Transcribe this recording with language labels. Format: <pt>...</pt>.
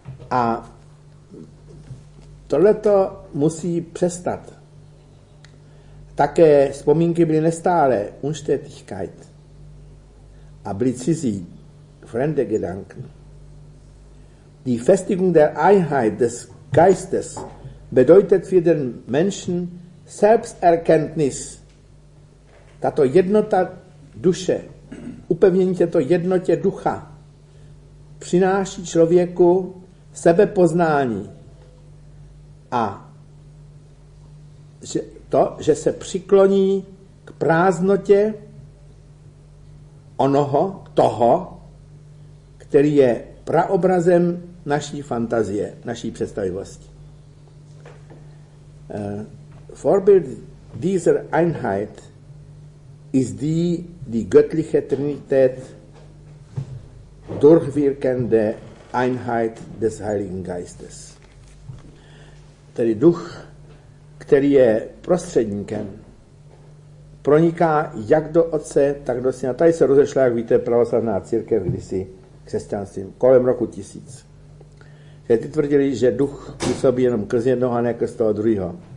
<cs>A tohleto musí přestat. Také vzpomínky byly nestálé, unstetigkeit, a byly cizí,</cs> <de>fremde Gedanken. Die Festigung der Einheit des Geistes bedeutet für den Menschen Selbsterkenntnis.</de> <cs>Tato jednota duše, upevnění této jednotě ducha, přináší člověku sebepoznání a to, že se přikloní k prázdnotě onoho, toho, který je praobrazem naší fantazie, naší představivosti.</cs> <de>Vorbild dieser Einheit ist die göttliche Trinität durchwirkende Einheit des Heiligen Geistes.</de> <cs>Tedy duch, který je prostředníkem, proniká jak do Otce, tak do Syna. Tady se rozešla, jak víte, pravoslavná církev kdysi křesťanstvím, kolem roku 1000. Že ty tvrdili, že duch působí jenom krz jednoho a ne krz toho druhého.</cs>